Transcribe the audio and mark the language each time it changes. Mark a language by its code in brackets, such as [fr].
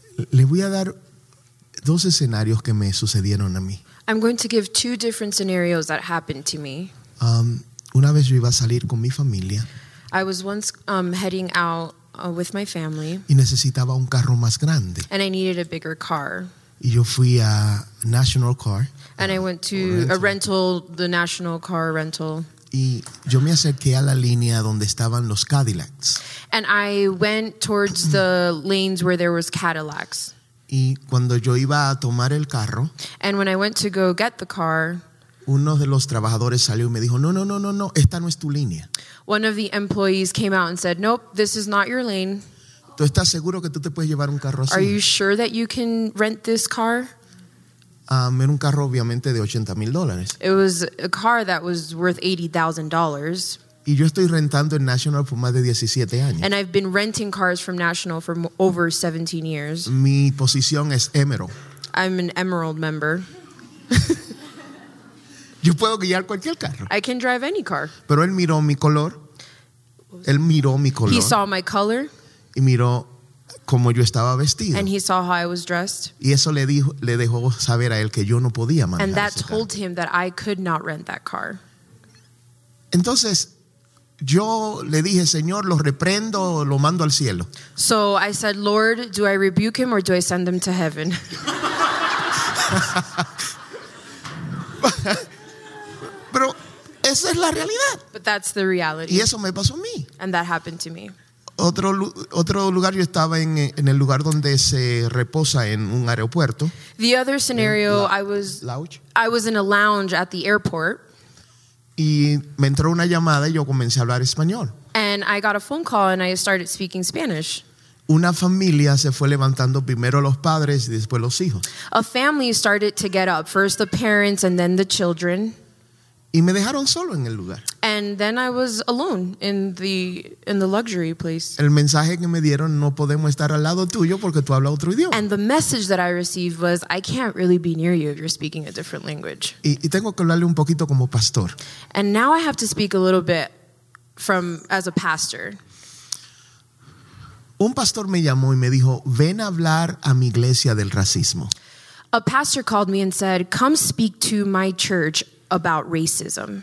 [es] Les voy a dar dos escenarios que me sucedieron a mí. [en] I'm going to give two different scenarios that happened to me. [es] Una vez yo iba a salir con mi familia. [en] I was once heading out with my family. [es] Y necesitaba un carro más grande. [en] And I needed a bigger car. [es] Y yo fui a National Car. [en] And I went to a rental, the National Car Rental. [es] Y yo me acerqué a la línea donde estaban los Cadillacs. [en] And I went towards the lanes where there was Cadillacs. [es] Y cuando yo iba a tomar el carro, [en] and when I went to go get the car, [es] uno de los trabajadores salió y me dijo, no, esta no es tu línea. [en] One of the employees came out and said, nope, this is not your lane. [es] ¿Tú estás seguro que tú te puedes llevar un carro así? [en] Are you sure that you can rent this car? [es] Era un carro obviamente de $80,000. [en] It was a car that was worth $80,000. [es] Y yo estoy rentando en National por más de 17 años. [en] And I've been renting cars from National for over 17 years. [es] Mi posición es Emerald. [en] I'm an Emerald member. [es] Yo puedo guiar cualquier carro. [en] I can drive any car. [es] Pero él miró mi color. Él miró mi color. [en] He saw my color. [es] Y miró como yo estaba vestido. [en] And he saw how I was dressed. [es] Y eso le dijo, le dejó saber a él que yo no podía manejar. [en] And that [es] ese [en] told [es] carro. [en] Him that I could not rent that car. [es] Entonces yo le dije, Señor, lo reprendo, lo mando al cielo. [en] So I said, Lord, do I rebuke him or do I send him to heaven? [es] Pero esa es la realidad. [en] But that's the reality. [es] Y eso me pasó a mí. [en] And that happened to me. [es] Otro lugar, yo estaba en el lugar donde se reposa en un aeropuerto. [en] The other scenario, I was in a lounge at the airport. [es] Y me entró una llamada y yo comencé a hablar español. [en] And I got a phone call and I started speaking Spanish. [es] Una familia se fue levantando, primero los padres y después los hijos. [en] A family started to get up, first the parents and then the children. [es] Y me dejaron solo en el lugar. [en] And then I was alone in the luxury place. [es] El mensaje que me dieron, no podemos estar al lado tuyo porque tú hablas otro idioma. [en] And the message that I received was, I can't really be near you if you're speaking a different language. [es] Y tengo que hablarle un poquito como pastor. [en] And now I have to speak a little bit from as a pastor. [es] Un pastor me llamó y me dijo, ven a hablar a mi iglesia del racismo. [en] A pastor called me and said, come speak to my church about racism.